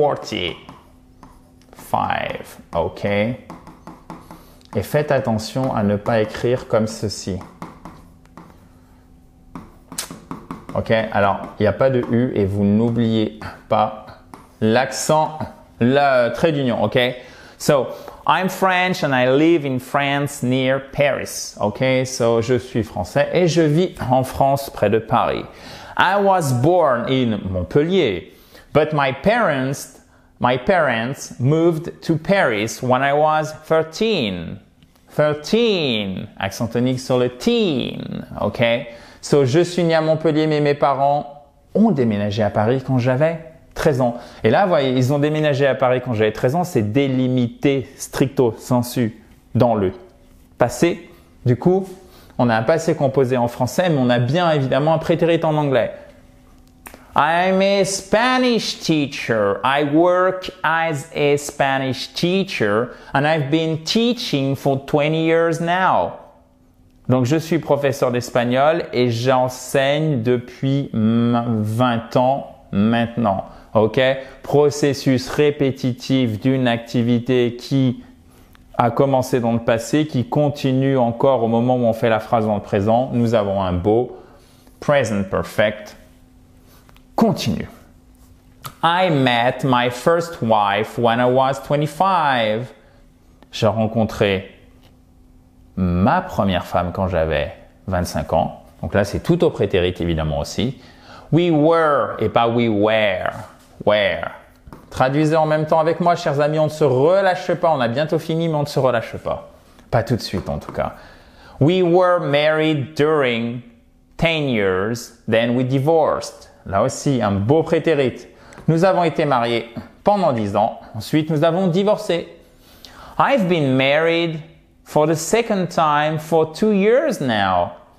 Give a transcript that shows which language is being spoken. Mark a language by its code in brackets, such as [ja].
[fr] 45. OK. Et faites attention à ne pas écrire comme ceci. OK. Alors, il n'y a pas de U et vous n'oubliez pas l'accent, le trait d'union, ok? [en] So, I'm French and I live in France near Paris, ok? [fr] So, je suis français et je vis en France près de Paris. [en] I was born in Montpellier, but my parents moved to Paris when I was 13. [fr] 13, accent tonique sur le teen, ok? So, je suis né à Montpellier, mais mes parents ont déménagé à Paris quand j'avais 13 ans. Et là, vous voyez, ils ont déménagé à Paris quand j'avais 13 ans. C'est délimité stricto sensu dans le passé. Du coup, on a un passé composé en français, mais on a bien évidemment un prétérit en anglais. [en] I'm a Spanish teacher. I work as a Spanish teacher and I've been teaching for 20 years now. [fr] Donc, je suis professeur d'espagnol et j'enseigne depuis 20 ans maintenant. Ok, processus répétitif d'une activité qui a commencé dans le passé, qui continue encore au moment où on fait la phrase dans le présent. Nous avons un beau present perfect. Continue. [en] I met my first wife when I was 25. [fr] J'ai rencontré ma première femme quand j'avais 25 ans. Donc là, c'est tout au prétérit évidemment aussi. [en] We were [fr] et pas [en] we were. Where? [fr] Traduisez en même temps avec moi, chers amis, on ne se relâche pas. On a bientôt fini, mais on ne se relâche pas. Pas tout de suite, en tout cas. [en] We were married during 10 years, then we divorced. [fr] Là aussi, un beau prétérit. Nous avons été mariés pendant 10 ans. Ensuite, nous avons divorcé. [en] I've been married for the second time for 2 years now.